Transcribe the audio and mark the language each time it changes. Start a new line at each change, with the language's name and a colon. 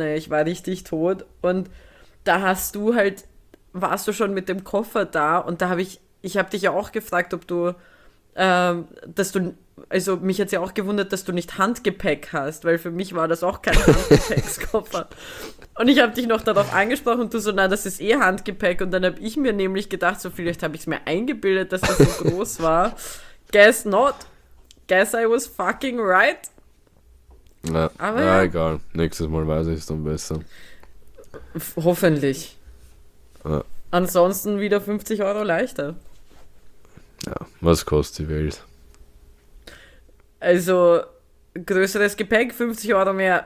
German: Ich war richtig tot. Und da hast du halt, warst du schon mit dem Koffer da und da habe ich habe dich ja auch gefragt, ob du, dass du, also mich hat es ja auch gewundert, dass du nicht Handgepäck hast, weil für mich war das auch kein Handgepäckskoffer. Und ich habe dich noch darauf angesprochen und du so, na, das ist eh Handgepäck. Und dann habe ich mir nämlich gedacht, so vielleicht habe ich es mir eingebildet, dass das so groß war.
English: Guess not. Guess I was fucking right.
German: Aber Na, ja. egal. Nächstes Mal weiß ich es dann besser. Hoffentlich. Ansonsten wieder 50 Euro leichter. Was kostet die Welt? Also, größeres Gepäck, 50 Euro mehr.